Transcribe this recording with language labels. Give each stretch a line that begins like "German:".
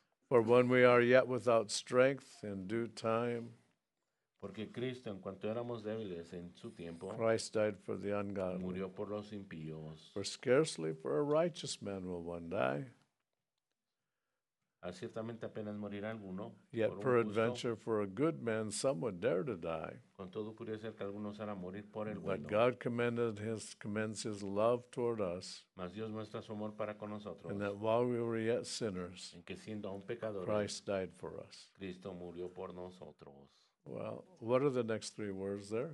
English: For when we are yet without strength, in due time,
Spanish: porque Cristo, en cuanto éramos débiles en su tiempo,
English: Christ died for the ungodly.
Spanish: Murió por los impíos.
English: For scarcely for a righteous man will one die.
Spanish: Ciertamente apenas morirá alguno,
English: yet
Spanish: por un
English: peradventure
Spanish: justo.
English: For a good man some would dare to die.
Spanish: Con todo pudiera ser que algunos harán morir por el
English: but
Spanish: bueno.
English: God commends his love toward us.
Spanish: Mas Dios muestra su amor para con nosotros.
English: And that while we were yet sinners,
Spanish: en que siendo aún pecadores,
English: Christ died for us.
Spanish: Cristo murió por nosotros.
English: Well, what are the next three words there?